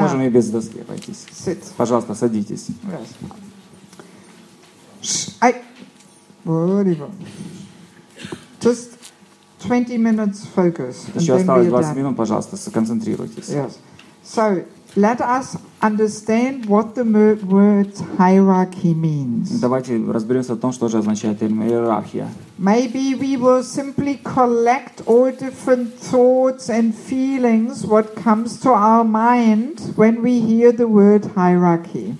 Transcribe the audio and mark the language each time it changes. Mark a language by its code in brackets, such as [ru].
[ru] Можем и без доски обойтись. [en] Sit. [ru] Пожалуйста, садитесь. [en] Yes. I... Whatever. Just 20 minutes focus. [ru] Еще осталось 20 минут, пожалуйста, сконцентрируйтесь. [en] Yes. So, let us understand what the word hierarchy means. [ru] Давайте разберемся о том, что же означает термин иерархия. [en] Maybe we will simply collect all different thoughts and feelings what comes to our mind when we hear the word hierarchy.